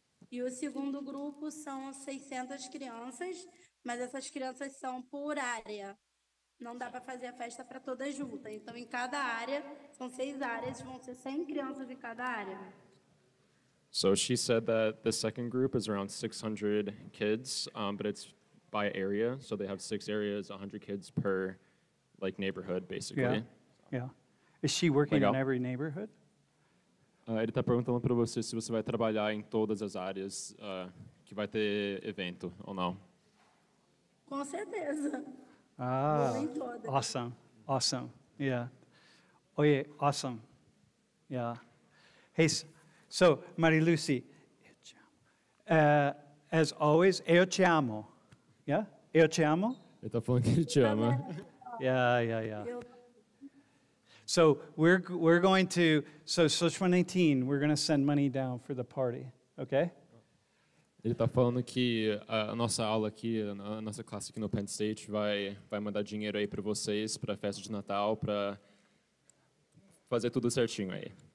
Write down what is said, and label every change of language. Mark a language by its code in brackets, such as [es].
[pt] E o segundo grupo são 600 crianças, mas essas crianças são por área. Não dá para fazer a festa para todas juntas. Então, em cada área, são 6 áreas, vão ser 100 crianças em cada área. [en] So she said that the second group is around 600 kids, but it's by area. So they have 6 areas, 100 kids per like neighborhood, basically. Yeah. Is she working in every neighborhood? [pt] Ele está perguntando para você se você vai trabalhar em todas as áreas que vai ter evento ou não. Com certeza. [en] Ah, awesome. Yeah. Oye, awesome. Yeah. Hey, so, Mari Lucy, as always, [pt] eu te amo. Yeah? Eu te amo? Ele está falando que te ama. [en] Yeah. So we're going to, so Social 19, we're going to send money down for the party, okay? [pt] Ele está falando que a nossa aula aqui, a nossa classe aqui no Penn State vai mandar dinheiro aí para vocês, para a festa de Natal, para fazer tudo certinho aí.